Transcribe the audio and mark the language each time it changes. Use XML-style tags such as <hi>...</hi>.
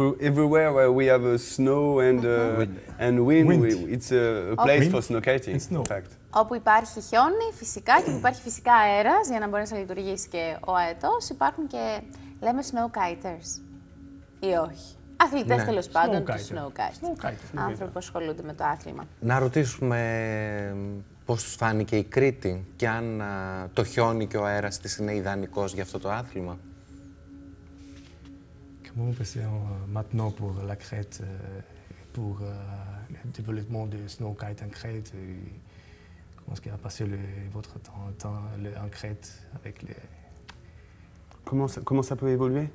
<en>Everywhere where we have snow and and wind. It's a place for snow kiting, in fact.</en> <el>Όπου υπάρχει χιόνι, φυσικά, και όπου υπάρχει φυσικά αέρας για να μπορέσει να λειτουργήσει και ο αετός, υπάρχουν και, λέμε, snowkiters ή όχι. Αθλητές, ναι, τέλος πάντων, του snowkiters. Άνθρωποι που ασχολούνται με το άθλημα. Να ρωτήσουμε πώς τους φάνηκε η Κρήτη και αν το χιόνι και ο αέρας της είναι ιδανικός για αυτό το άθλημα.</el> <fr>Comme vous pensez maintenant pour la Crète, pour le développement de snowkite en Crète, comment est-ce qu'il a passé votre temps en Crète avec les... Comment ça peut évoluer?</fr>